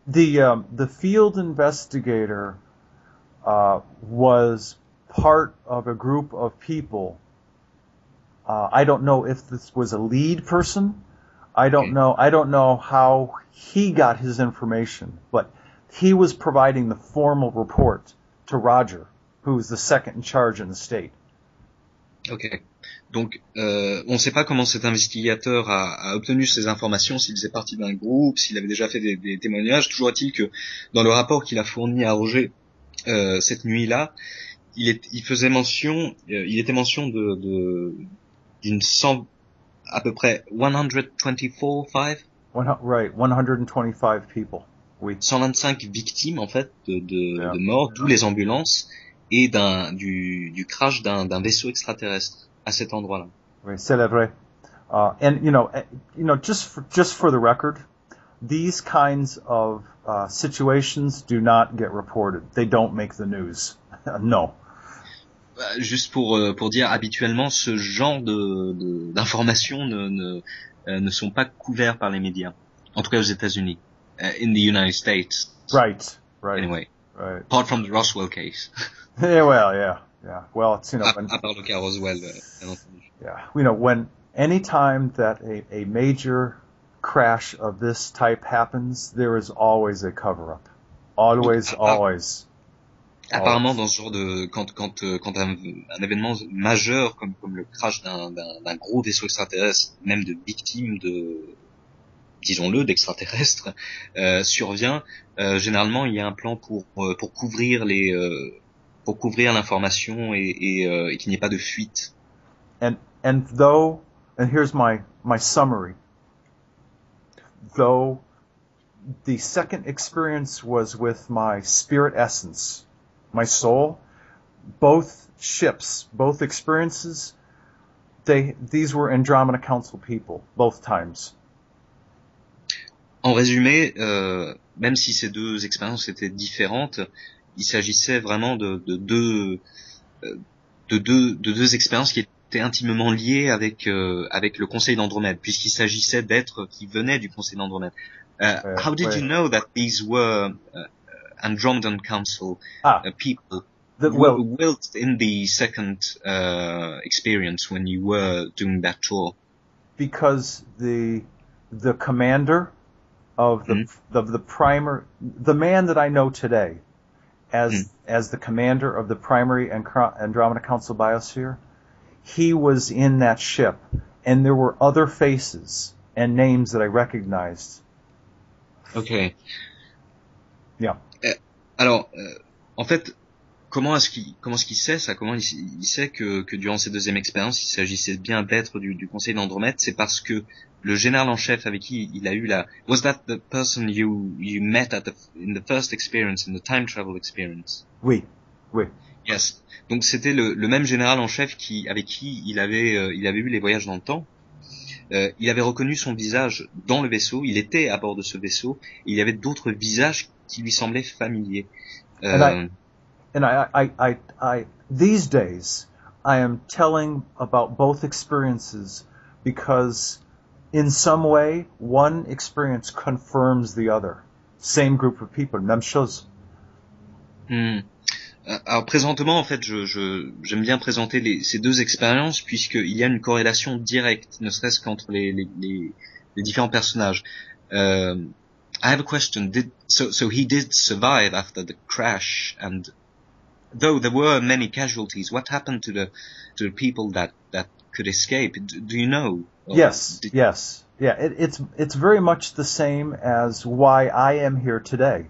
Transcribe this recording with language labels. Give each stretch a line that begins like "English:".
English: The field investigator was part of a group of people. I don't know if this was a lead person. I don't know how he got his information, but he was providing the formal report to Roger, who is the second in charge in the state. Okay.
French: Donc, on ne sait pas comment cet investigateur a obtenu ces informations, s'il faisait partie d'un groupe, s'il avait déjà fait des témoignages. Toujours est-il que dans le rapport qu'il a fourni à Roger cette nuit-là, il était mention d'à peu près
English: 125 people.
French: Oui. 125 victimes en fait de morts, d'où les ambulances et du crash d'un vaisseau extraterrestre à cet endroit-là. Oui, c'est vrai.
English: And you know, just for the record, these kinds of situations do not get reported. They don't make the news. No.
French: Juste pour dire, habituellement, ce genre d'informations ne sont pas couverts par les médias. En tout cas aux États-Unis.
English: In the United States. Anyway. Apart from the Roswell case. Well, it's, you know, when,
French: à part le cas Roswell, bien entendu.
English: Yeah. You know, when any time that a major crash of this type happens, there is always a cover-up. Always, always.
French: Apparemment, dans ce genre de quand un événement majeur comme le crash d'un gros vaisseau extraterrestre, même de victimes de, disons-le, d'extraterrestres, survient, généralement il y a un plan pour couvrir l'information et qu'il n'y ait pas de fuite.
English: And here's my summary. Though the second experience was with my spirit essence, my soul, both ships, both experiences, these were Andromeda Council people, both times.
French: En résumé, même si ces deux expériences étaient différentes, il s'agissait vraiment de deux expériences qui étaient intimement liées avec le Conseil d'Andromède, puisqu'il s'agissait d'êtres qui venaient du Conseil d'Andromède.
English: How did you know that these were Andromedan Council people whilst in the second experience when you were doing that tour? Because the commander of the man that I know today as the commander of the primary Andromeda Council biosphere, he was in that ship, and there were other faces and names that I recognized. Okay. Yeah.
French: Alors, en fait, comment est-ce qu'il sait ça? Comment il sait que durant ces deuxièmes expériences, il s'agissait bien d'être du Conseil d'Andromède? C'est parce que le général en chef avec qui il a eu la...
English: Was that the person you met at in the first experience, in the time travel experience?
French: Oui, oui.
English: Yes.
French: Donc c'était le même général en chef avec qui il avait eu les voyages dans le temps. Il avait reconnu son visage dans le vaisseau. Il était à bord de ce vaisseau. Il y avait d'autres visages qui lui semblaient familiers.
English: And I, these days, I am telling about both experiences because, in some way, one experience confirms the other. Same group of people,
French: même chose. Alors présentement, en fait, j'aime bien présenter ces deux expériences puisqu'il y a une corrélation directe, ne serait-ce qu'entre les différents personnages.
English: I have a question. So he did survive after the crash, and though there were many casualties, what happened to the people that could escape? Do you know? Yes. It's very much the same as why I am here today.